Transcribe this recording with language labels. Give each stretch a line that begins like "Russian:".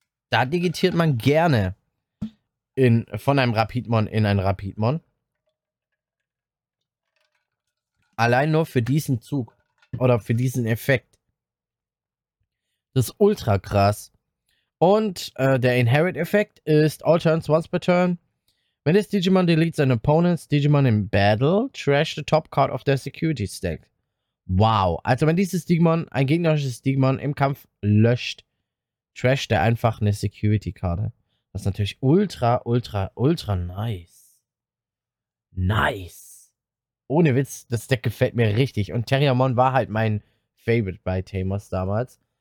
German: Da digitiert man gerne. Von einem Rapidmon in ein Rapidmon. Allein nur für diesen Zug. Oder für diesen Effekt. Das ist ultra krass. Und der Inherit-Effekt ist all turns once per turn.
English: When this Digimon deletes an opponent's Digimon in battle, trash the top card of their security stack. Wow.
German: Also wenn dieses Digimon, ein gegnerisches Digimon im Kampf löscht, trasht er einfach eine Security-Karte. Das ist natürlich ultra, ultra, ultra nice. Nice. Ohne Witz, das Deck gefällt mir richtig. Und Terriamon war halt mein Favorite bei Tamers damals.